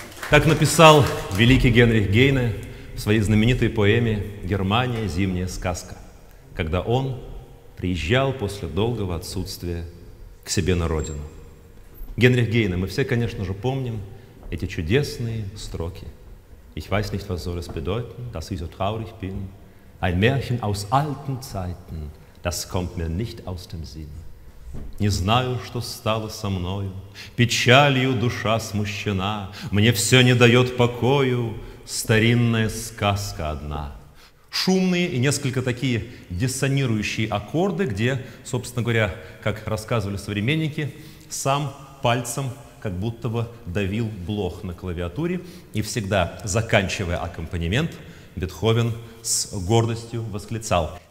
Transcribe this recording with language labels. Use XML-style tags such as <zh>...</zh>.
<ru>Так написал великий Генрих Гейне в своей знаменитой поэме «Германия. Зимняя сказка», когда он приезжал после долгого отсутствия к себе на родину. Генрих Гейне, мы все, конечно же, помним эти чудесные строки.</ru> <de>Ich weiß nicht, was soll es bedeuten, dass ich so traurig bin. Ein Märchen aus alten Zeiten, das kommt mir nicht aus dem Sinn.</de> <ru>Не знаю, что стало со мною, печалью душа смущена. Мне все не дает покою старинная сказка одна. Шумные и несколько такие диссонирующие аккорды, где, собственно говоря, как рассказывали современники, сам пальцем как будто бы давил блох на клавиатуре, и всегда, заканчивая аккомпанемент, Бетховен с гордостью восклицал:</ru>